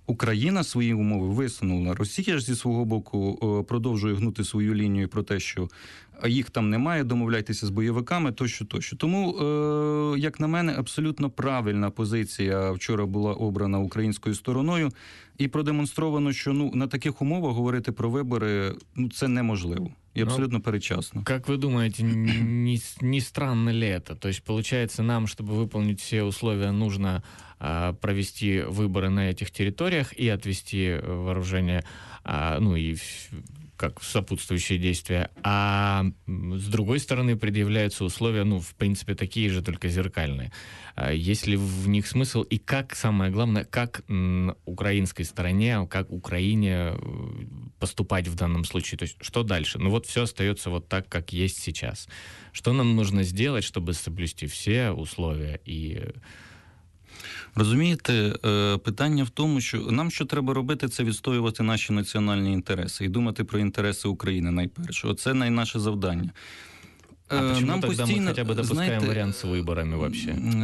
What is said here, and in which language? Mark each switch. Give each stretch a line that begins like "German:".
Ukrainian: Україна свої умови висунула. Росія ж зі свого боку продовжує гнути свою лінію про те, що їх там немає, домовляйтеся з бойовиками, тощо, тощо. Тому, як на мене, абсолютно правильна позиція вчора була обрана українською стороною і продемонстровано, що ну на таких умовах говорити про вибори ну це неможливо. И абсолютно перечасно.
Russian: Как вы думаете, не странно ли это? То есть, получается, нам, чтобы выполнить все условия, нужно провести выборы на этих территориях и отвести вооружение, ну и как сопутствующие действия. А с другой стороны предъявляются условия, ну, в принципе, такие же, только зеркальные. Есть ли в них смысл? И как, самое главное, как украинской стороне, как Украине поступать в данном случае? То есть, что дальше? Ну, вот все остается вот так, как есть сейчас. Что нам нужно сделать, чтобы соблюсти все условия и
Ukrainian: Розумієте, питання в тому, що нам що треба робити, це відстоювати наші національні інтереси і думати про інтереси України найперше. Оце найнаше завдання. А чому тоді постійно... ми хоча б допускаємо, знаєте, варіант з виборами взагалі?